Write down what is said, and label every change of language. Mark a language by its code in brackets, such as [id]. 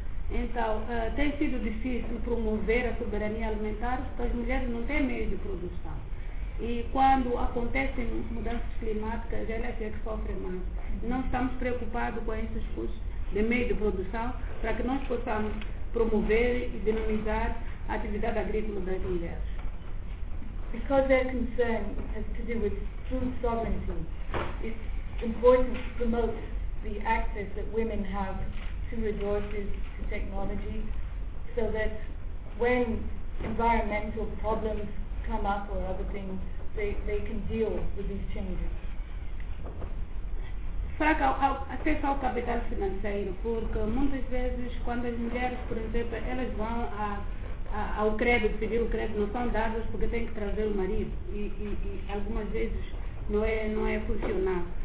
[pt] Então, tem sido difícil promover a soberania alimentar porque as mulheres não têm meios de produção. E quando acontecem mudanças climáticas, elas é que sofrem mais. Nós estamos preocupados com esses custos de meio de produção para que nós possamos promover e dinamizar a atividade agrícola das mulheres. [en] Because their concern has to do with food sovereignty, it's important to promote the access that women have to resources, to technology, so that when environmental problems come up or other things, they can deal with these changes. [pt] Fraco acesso ao capital financeiro, porque muitas vezes quando as mulheres, por exemplo, elas vão ao crédito, pedir o crédito, não são dadas porque têm que trazer o marido e algumas vezes não é funcional.